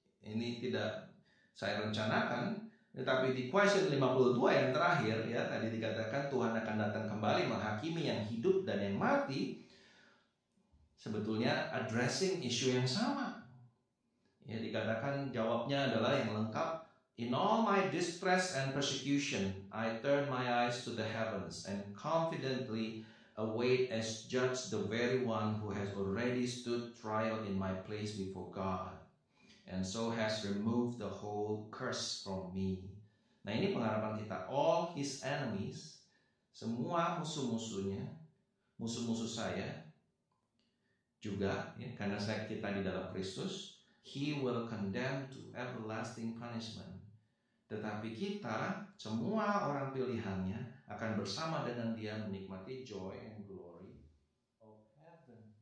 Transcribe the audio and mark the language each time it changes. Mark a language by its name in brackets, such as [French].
[Indonesian] Ini tidak saya rencanakan, tetapi di question 52 yang terakhir ya tadi dikatakan Tuhan akan datang kembali menghakimi yang hidup dan yang mati. Sebetulnya [English] addressing issue [Indonesian] yang sama. Ya, dikatakan jawabnya adalah yang lengkap. [English] In all my distress and persecution, I turn my eyes to the heavens and confidently await as judge the very one who has already stood trial in my place before God, and so has removed the whole curse from me. [Indonesian] Nah, ini pengharapan kita. [English] All his enemies, [Indonesian] semua musuh-musuhnya, musuh-musuh saya juga, ya, karena saya kita di dalam Kristus, [English] he will condemn to everlasting punishment. [Indonesian] Tetapi kita, semua orang pilihannya, akan bersama dengan dia menikmati [English] joy and glory of heaven.